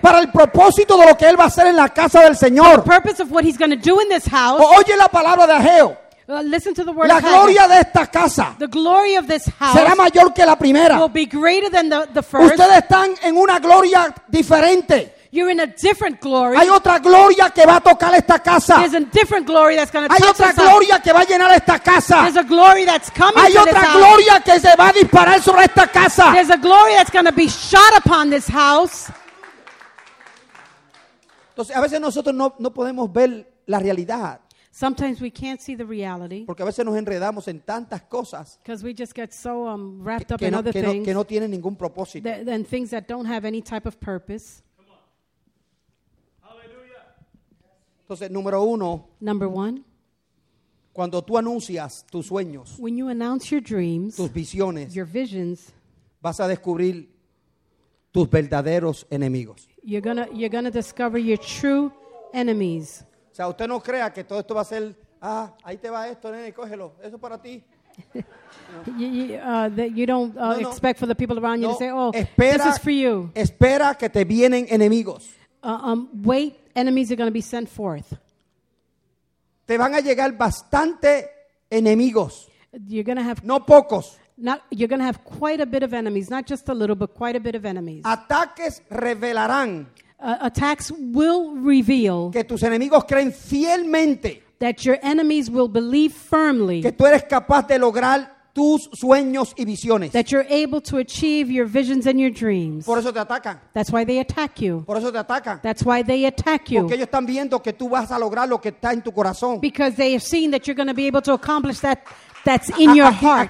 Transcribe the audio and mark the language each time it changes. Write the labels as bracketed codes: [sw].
[es] Para el propósito de lo que Él va a hacer en la casa del Señor. [en] The purpose of what He's going to do in this house. [es] Oye la palabra de Ageo. [en] Listen to the word. [es] La gloria de esta casa. [en] The glory of this house. [es] Será mayor que la primera. [en] Will be greater than the first. [es] Ustedes están en una gloria diferente. [en] You're in a different glory. [es] Hay otra gloria que va a tocar esta casa. [en] There's a different glory that's going to touch us. [es] Hay otra gloria que va a llenar esta casa. [en] There's a glory that's coming. [es] Hay otra gloria que se va a disparar sobre esta casa. [en] There's a glory that's going to be shot upon this house. [es] Entonces, a veces nosotros no podemos ver la realidad. [en] Sometimes we can't see the reality. [es] Porque a veces nos enredamos en tantas cosas. [en] Because we just get so wrapped up in other things. [es] Que no tienen ningún propósito. [en] And things that don't have any type of purpose. [es] Entonces, número uno. [en] Number one. [es] Cuando tú anuncias tus sueños. [en] When you announce your dreams. [es] Tus visiones. [en] Your visions. [es] Vas a descubrir tus verdaderos enemigos. [en] You're gonna discover your true enemies. [es] O sea, usted no crea que todo esto va a ser, ahí te va esto, nene, cógelo, eso para ti. [en] You don't expect for the people around you [es] no, [en] to say, oh, [es] espera, [en] this is for you. [es] Espera que te vienen enemigos. [en] Wait. Enemies are going to be sent forth. [es] Te van a llegar bastante enemigos. [en] You're going to have [es] no pocos. [en] Not, you're going to have quite a bit of enemies, not just a little, but quite a bit of enemies. [es] Ataques revelarán. [en] Attacks will reveal [es] que tus enemigos creen fielmente. [en] That your enemies will believe firmly. [es] Que tú eres capaz de lograr tus sueños y visiones. [en] That you're able to achieve your visions and your dreams. [es] Por eso te atacan. [en] That's why they attack you. [es] Por eso te atacan. [en] That's why they attack you. [es] Porque ellos están viendo que tú vas a lograr lo que está en tu corazón. [en] Because they have seen that you're going to be able to accomplish that that's in your heart.